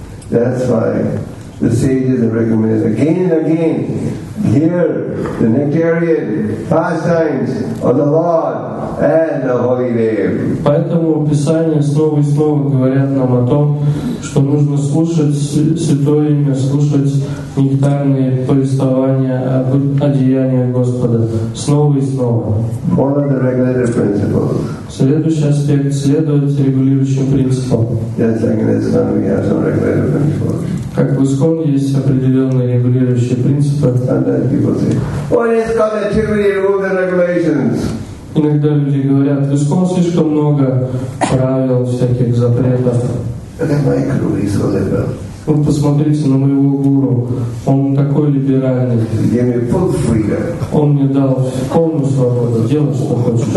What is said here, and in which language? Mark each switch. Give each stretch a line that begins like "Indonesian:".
English: That's why the sages have recommended again and again, hear the nectarian pastimes of the Lord and the holy name.
Russian: Поэтому Писание снова и снова говорят нам о том, что нужно слушать Святое Имя, слушать нектарные повествования о деяниях Господа снова и снова.
English: Follow the regulative principles.
Russian: Следующий аспект – следовать регулирующим принципам.
English: Yes, like in Islam, we have some regulative principles.
Russian: Как в Искон есть определенные регулирующие принципы.
English: And then people say, what is called the rules and regulations?
Russian: Иногда люди говорят, в Искон слишком много правил, всяких запретов.
English: Look at my guru, he's so liberal.
Russian: Вы посмотрите на моего гуру. Он такой либеральный.
English: He gave me full freedom.
Russian: Он мне дал полную свободу. Делать, что хочешь.